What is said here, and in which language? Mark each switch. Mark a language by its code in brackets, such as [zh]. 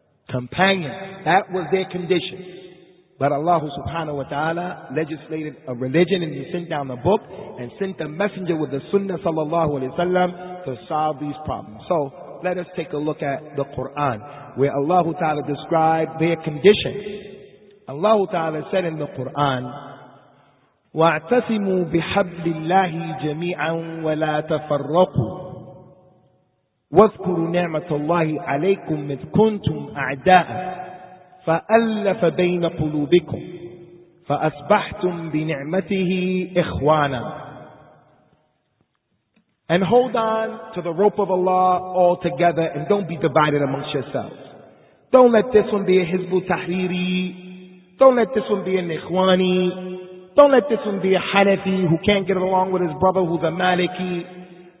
[en] Companions, that was their condition. But Allah subhanahu wa ta'ala legislated a religion and he sent down a book and sent a messenger with the sunnah sallallahu alayhi wa sallam to solve these problems. So let us take a look at the Quran where Allah ta'ala described their condition. Allah ta'ala said in the Quran, [ar] وَاعْتَصِمُوا بِحَبْلِ اللَّهِ جَمِيعًا وَلَا تَفَرَّقُوا واذكروا نعمة الله عليكم إذ كنتم أعداء فألف بين قلوبكم فأصبحتم بنعمته إخوانا. [en] And hold on to the rope of Allah all together and don't be divided amongst yourselves. Don't let this one be a Hizb al-Tahriri. Don't let this one be an Ikhwani. Don't let this one be a Hanafi who can't get along with his brother who's a Maliki.